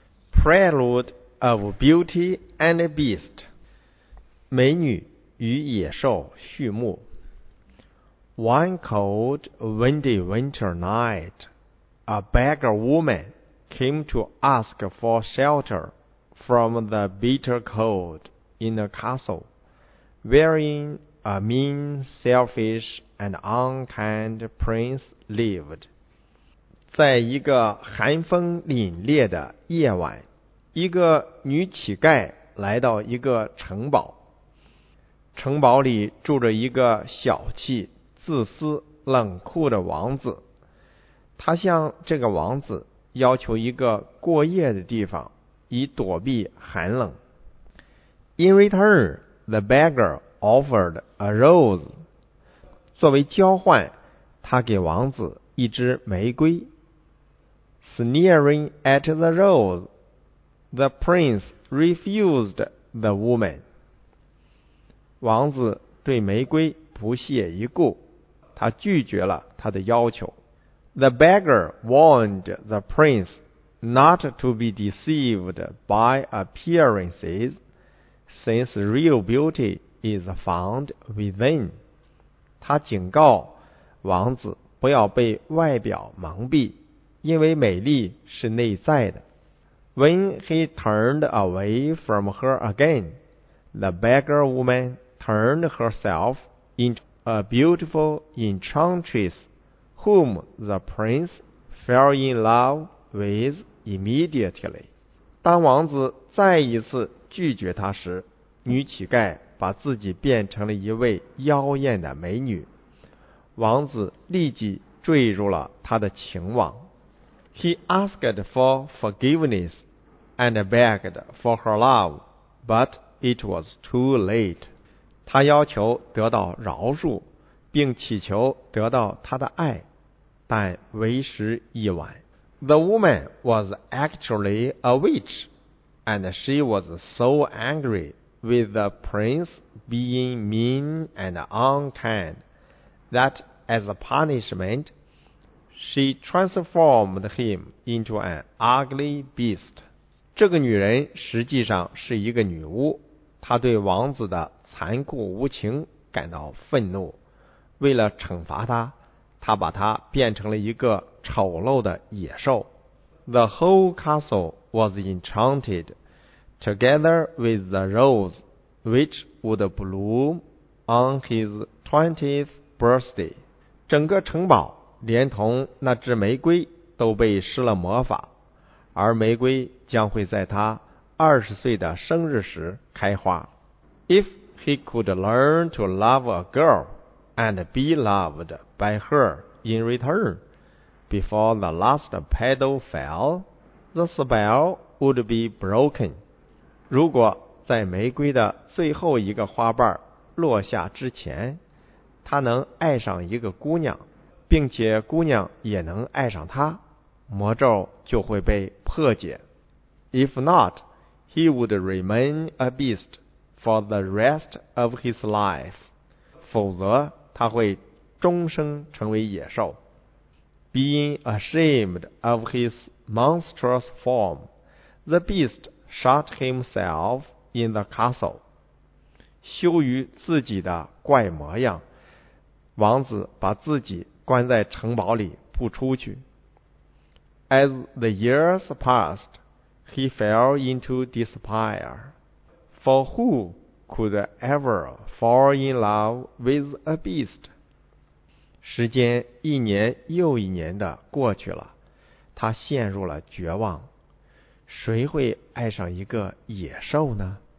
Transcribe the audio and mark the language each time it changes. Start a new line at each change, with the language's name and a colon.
English: Prelude of Beauty and the Beast
Chinese: 美女与野兽序幕
English: One cold windy winter night, a beggar woman came to ask for shelter from the bitter cold in the castle, wherein a mean, selfish, and unkind prince lived.
Chinese: 在一个寒风凛冽的夜晚，一个女乞丐来到一个城堡，城堡里住着一个小气、自私、冷酷的王子。他向这个王子要求一个过夜的地方，以躲避寒冷。
English: In return, the beggar offered a rose.
Chinese: 作为交换，他给王子一支玫瑰。
English: Sneering at the rose,The prince refused the woman.
Chinese: 王子对玫瑰不屑一顾，他拒绝了他的要求。
English: The beggar warned the prince not to be deceived by appearances, since real beauty is found within.
Chinese: 他警告王子不要被外表蒙蔽，因为美丽是内在的。
English: When he turned away from her again, the beggar woman turned herself into a beautiful enchantress whom the prince fell in love with immediately.
Chinese: 当王子再一次拒绝她时，女乞丐把自己变成了一位妖艳的美女。王子立即坠入了她的情网。
English: He asked for forgiveness. And begged for her love, but it was too late.
Chinese: 他要求得到饶恕，并祈求得到他的爱，但为时已晚。
English: The woman was actually a witch, and she was so angry with the prince being mean and unkind that as a punishment, she transformed him into an ugly beast.
Chinese: 这个女人实际上是一个女巫，她对王子的残酷无情感到愤怒，为了惩罚她，她把她变成了一个丑陋的野兽。
English: The whole castle was enchanted, together with the rose, which would bloom on his 20th birthday.
Chinese: 整个城堡连同那只玫瑰都被施了魔法，而玫瑰将会在他20岁的生日时开花。
English: If he could learn to love a girl and be loved by her in return before the last petal fell, the spell would be broken.
Chinese: 如果在玫瑰的最后一个花瓣落下之前，他能爱上一个姑娘，并且姑娘也能爱上他，魔咒就会被破解。
English: If not, he would remain a beast for the rest of his life.
Chinese: 否则他会终生成为野兽。
English: Being ashamed of his monstrous form, the beast shot himself in the castle.
Chinese: 羞于自己的怪模样，王子把自己关在城堡里不出去。
English: As the years passed, he fell into despair. For who could ever fall in love with a beast?
Chinese: 时间一年又一年的过去了，他陷入了绝望。谁会爱上一个野兽呢？